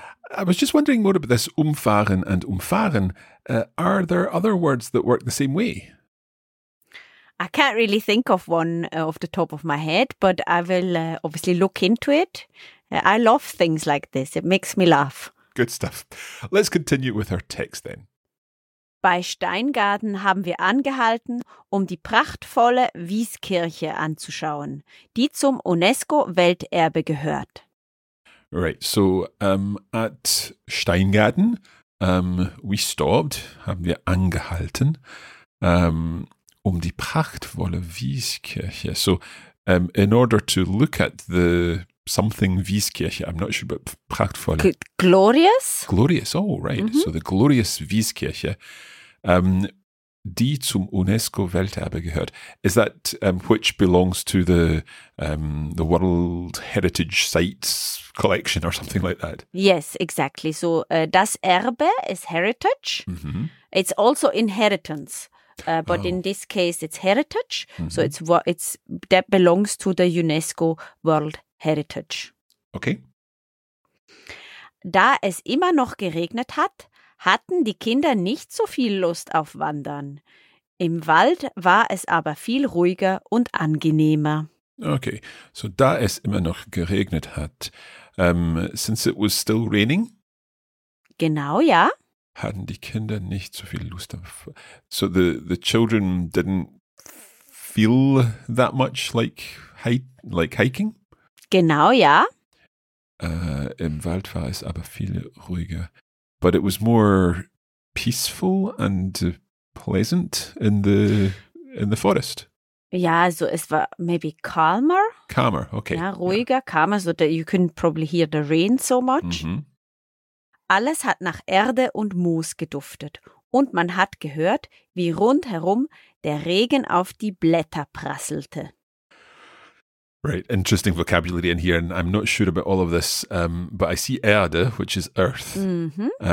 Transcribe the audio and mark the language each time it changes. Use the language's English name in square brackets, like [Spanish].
[English] I was just wondering more about this umfahren and umfahren. Are there other words that work the same way? I can't really think of one off the top of my head, but I will obviously look into it. I love things like this. It makes me laugh. Good stuff. Let's continue with our text then. [German] Bei Steingaden haben wir angehalten, um die prachtvolle Wieskirche anzuschauen, die zum UNESCO-Welterbe gehört. [English] Right, so at Steingaden, we stopped, [German] haben wir angehalten, um die prachtvolle Wieskirche. [English] So in order to look at the something Wieskirche, I'm not sure, but prachtvolle. Glorious? Glorious, oh right. Mm-hmm. So the glorious Wieskirche. [German] Die zum UNESCO Welterbe gehört. [English] Is that which belongs to the World Heritage Sites collection or something like that? Yes, exactly. So das Erbe is heritage. Mm-hmm. It's also inheritance, but in this case it's heritage. Mm-hmm. So it's that belongs to the UNESCO World Heritage. Okay. [German] Da es immer noch geregnet hat, hatten die Kinder nicht so viel Lust auf Wandern. Im Wald war es aber viel ruhiger und angenehmer. [English] Okay, so [German] da es immer noch geregnet hat, [English] since it was still raining? [German] Genau, ja. Hatten die Kinder nicht so viel Lust auf... [English] So the children didn't feel that much like hiking? [German] Genau, ja. Im Wald war es aber viel ruhiger. [English] But it was more peaceful and pleasant in the forest. Yeah, so it was maybe calmer. Calmer, okay. [German] Ja, ruhiger, [English] yeah. Calmer, so that you couldn't probably hear the rain so much. Mm-hmm. [German] Alles hat nach Erde und Moos geduftet. Und man hat gehört, wie rundherum der Regen auf die Blätter prasselte. [English] Right, interesting vocabulary in here, and I'm not sure about all of this, but I see Erde, which is earth, mm-hmm.